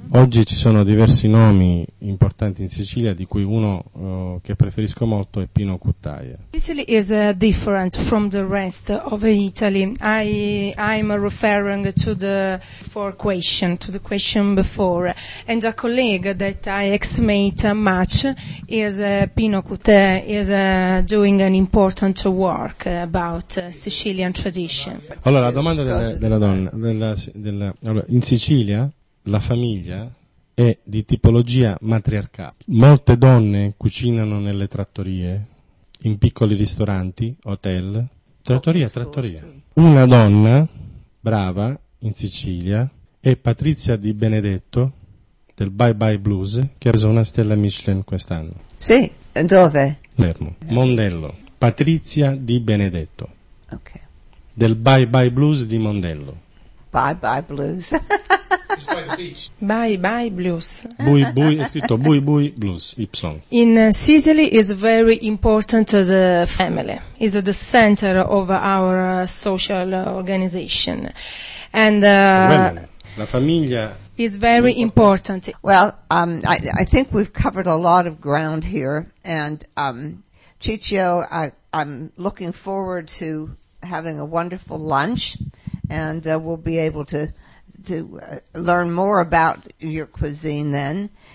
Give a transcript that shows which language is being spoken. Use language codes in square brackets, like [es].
[it] Oggi ci sono diversi nomi importanti in Sicilia, di cui uno che preferisco molto è Pino Cuttaia. [en] Sicily is different from the rest of Italy. I'm referring to the question before, and a colleague that I ex-mate much is Pino Cuttaia is doing an important work about Sicilian tradition. [it] Allora, la domanda della donna in Sicilia. La famiglia è di tipologia matriarcale. Molte donne cucinano nelle trattorie, in piccoli ristoranti, hotel, trattoria. Una donna brava in Sicilia è Patrizia Di Benedetto del Bye Bye Blues, che ha preso una stella Michelin quest'anno. Sì, dove? Lermo, Mondello. Patrizia Di Benedetto. Ok. Del Bye Bye Blues di Mondello. Bye Bye Blues. Bye bye blues. Bui bui, è scritto bui bui blues, Ipsilon. [en] In Sicily is very important to the family, is the center of our social organization. And [it] la famiglia [en] is very important. Well, I think we've covered a lot of ground here, and Ciccio, I'm looking forward to having a wonderful lunch, and we'll be able to learn more about your cuisine then.